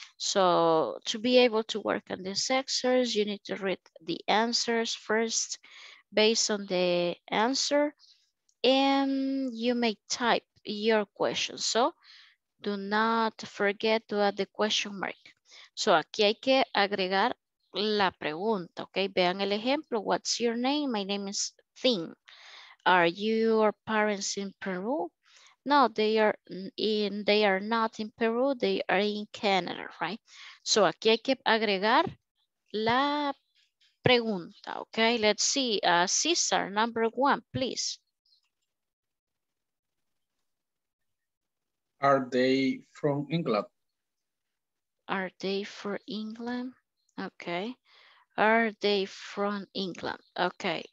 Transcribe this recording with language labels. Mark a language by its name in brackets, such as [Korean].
[English] So to be able to work on this exercise, you need to read the answers first based on the answer, and you may type your question. So do not forget to add the question mark. [Spanish] So aquí hay que agregar la pregunta, ok? Vean el ejemplo, [English] what's your name? My name is Thin. Are your parents in Peru? No, they are not in Peru, they are in Canada, right? [Spanish] So aquí hay que agregar la pregunta, ok? [English] Let's see, Cesar, number one, please. Are they from England? Are they from England? Okay. Are they from England? Okay.